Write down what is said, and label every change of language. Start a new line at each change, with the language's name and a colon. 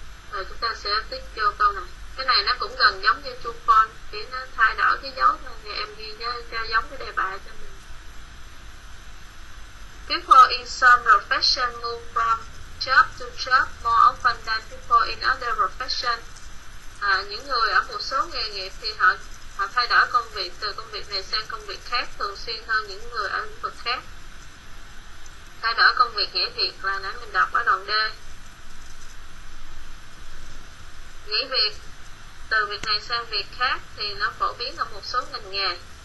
Vietnamese: Rồi chúng ta sẽ tiếp vô câu này. Cái này nó cũng gần giống như chu con, chỉ nó thay đổi cái dấu thôi, thì em ghi nhớ cho giống cái đề bài cho mình.
English: People in some profession move from job to job more often than people in other profession.
Vietnamese: À, những người ở một số nghề nghiệp thì họ họ thay đổi công việc từ công việc này sang công việc khác thường xuyên hơn những người ở lĩnh vực khác. Thay đổi công việc nghĩa thiệt là nãy mình đọc ở đoạn D. Nghỉ việc từ việc này sang việc khác thì nó phổ biến ở một số ngành nghề.